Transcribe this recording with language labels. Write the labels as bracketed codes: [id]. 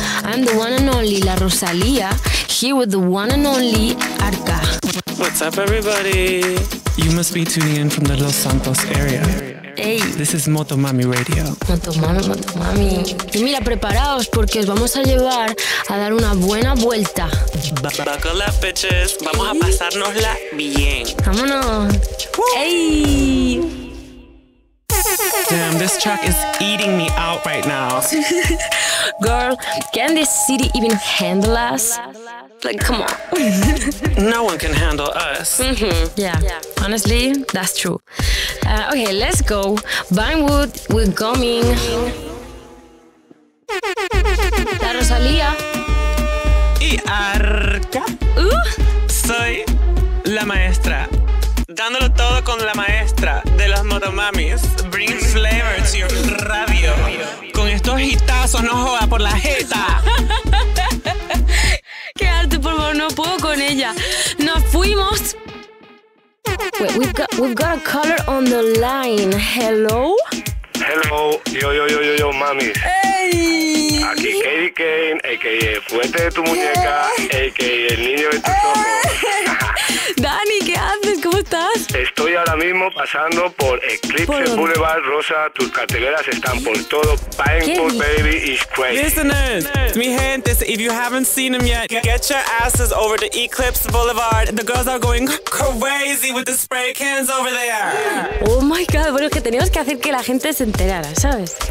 [en] I'm the one and only La Rosalía, here with the one and only Arca. What's up everybody? You must be tuning in from the Los Santos area. Hey. This is Motomami Radio. Motomami. [es] Y mira, preparaos porque os vamos a llevar a dar una buena vuelta. [en] Buckle up, bitches. [es] Vamos a pasárnosla bien. Vámonos. Hey. [en] Damn, this track is eating me out right now. Girl, can this city even handle us? Like, come on. No one can handle us. Mm-hmm. Yeah. Honestly, that's true. Okay, let's go. Vinewood, we're coming. [es] La Rosalía. Y Arca. Soy la maestra. Dándolo todo con la maestra de las motomamis. [en] Bring flavor to your radio. [es] Con estos hitazos, no joda por la jeta. Qué arte, por favor, no puedo con ella. Nos fuimos. [en] Wait, we've got a caller on the line. Hello. Hello. Yo, mami. Hey. [es] Aquí Katie Kane, a.k.a. Fuente de tu muñeca, a.k.a. el niño de tus ojos. Dani, ¿qué haces? ¿Cómo estás? Estoy ahora mismo pasando por Eclipse ¿por Boulevard, Rosa. Tus carteleras están por todo. [en] Painful Baby is crazy. Listeners, [es] mi gente, [en] if you haven't seen them yet, get your asses over to Eclipse Boulevard. The girls are going crazy with the spray cans over there. Oh my God, [es] bueno, es que teníamos que hacer que la gente se enterara, ¿sabes?